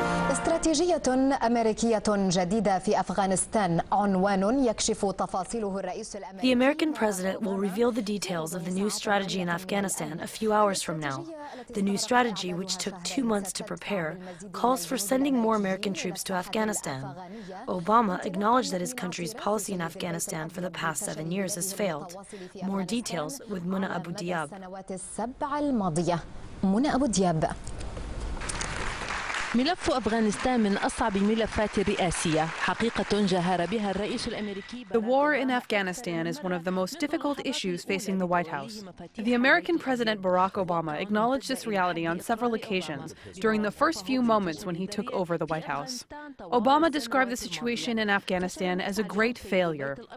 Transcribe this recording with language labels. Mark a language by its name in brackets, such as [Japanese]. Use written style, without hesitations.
[Arabic] استراتيجية أمريكية جديدة في أفغانستان عنوان يكشف تفاصيله الرئيس الأمريكي. [English] The American president will reveal the details of the new strategy in Afghanistan a few hours from now. The new strategy, which took 2 months to prepare, calls for sending more American troops to Afghanistan. Obama acknowledged that his country's policy in Afghanistan for the past 7 years has failed. More details with Muna Abu Diab. [Arabic] ملف أفغانستان من أصعب ملفات الرئاسية حقيقة جهر بها الرئيس الأمريكي. [English] The war in Afghanistan is one of the most difficult issues facing the White House. The American President Barack Obama acknowledged this reality on several occasions during the first few moments when he took over the White House. Obama described the situation in Afghanistan as a great failure.